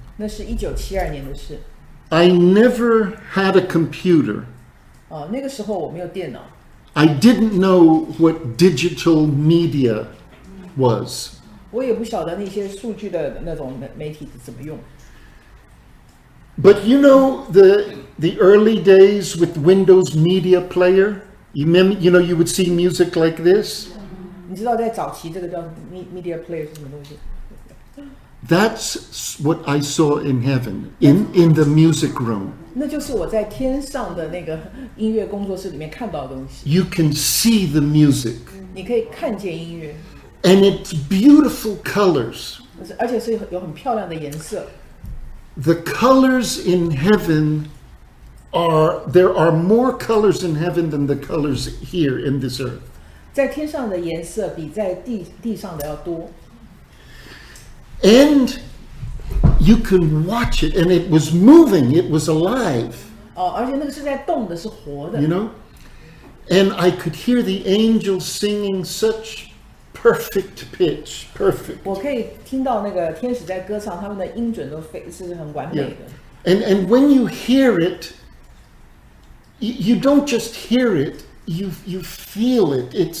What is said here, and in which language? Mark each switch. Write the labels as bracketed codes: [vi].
[zh] 那是1972年的事。 [en] I never had a computer. [zh] 那个时候我没有电脑。 [en] I didn't know what digital media was. [zh] 我也不晓得那些数据的那种媒体怎么用。 [en] But you know the early days with Windows Media Player? You know, you would see music like this? [zh] 你知道在早期这个叫 Media Player 是什么东西？ [en] That's what I saw in heaven, in the music room. [zh] 那就是我在天上的那个音乐工作室里面看到的东西。 [en] You can see the music. [zh] 你可以看见音乐。 [en] And it's beautiful colors. [zh] 而且是有很漂亮的颜色。 [en] The colors in heaven there are more colors in heaven than the colors here in this earth. [zh] 在天上的颜色比在地上的要多。 [en] And you can watch it, and it was moving, it was alive. [zh] 而且那个是在动的，是活的。 [en] You know? And I could hear the angels singing such perfect pitch, perfect. [zh] 我可以听到那个天使在歌唱，他们的音准都是很完美的。 [en] Yeah. And when you hear it, you don't just hear it, you feel it.